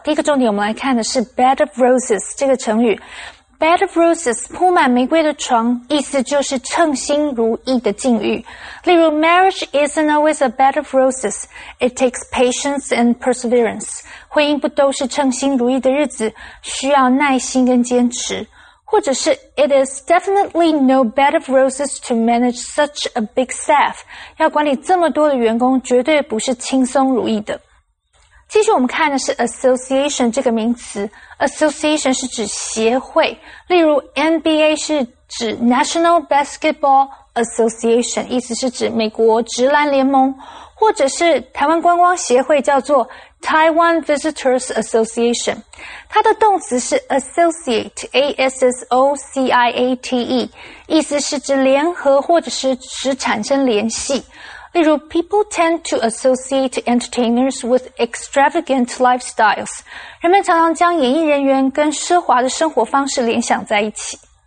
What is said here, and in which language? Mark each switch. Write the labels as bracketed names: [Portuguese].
[Chinese] 第一个重点我们来看的是 Bed of Roses 这个成语。 [English] Bed of roses, [Chinese] 铺满玫瑰的床, 意思就是称心如意的境遇。例如, [English] marriage isn't always a bed of roses. It takes patience and perseverance. [Chinese] 婚姻不都是称心如意的日子, 需要耐心跟坚持。或者是, [English] it is definitely no bed of roses to manage such a big staff. [Chinese] 要管理这么多的员工, 绝对不是轻松如意的。继续我们看的是 association 这个名词 ，association 是指协会，例如 NBA 是指 National Basketball Association， 意思是指美国职篮联盟，或者是台湾观光协会叫做 Taiwan Visitors Association， 它的动词是 associate， A S S O C I A T E， 意思是指联合或者是指产生联系。例如, [English] people tend to associate entertainers with extravagant lifestyles. [Chinese] 人们常常将演艺人员跟奢华的生活方式联想在一起。